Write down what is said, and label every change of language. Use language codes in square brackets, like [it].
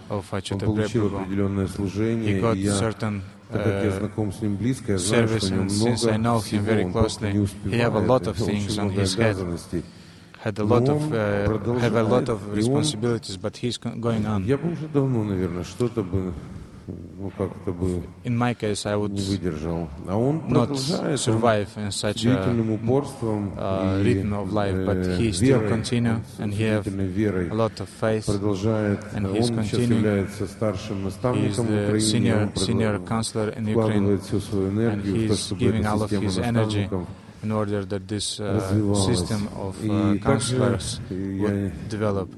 [ru] Он получил определенное служение, и я, так как я знаком с ним близко, я знаю, что у него много всего, он просто не успевает, очень много обязанностей. [en] Had a lot of have a lot of responsibilities, but he's going on. [ru] Я бы уже давно, наверное, что-то бы, ну как-то бы. [en] In my case, I would [ru] не выдержал. А он [en] not survive in such a rhythm of life, but he still continue and he has a lot of faith. [ru] Продолжает. [en] And he's continuing. [ru] Он сейчас является старшим наставником в Украине. [en] Senior counselor in Ukraine. [ru] Вкладывает всю свою энергию в то, чтобы эта система [en] in order that this system of counselors would develop.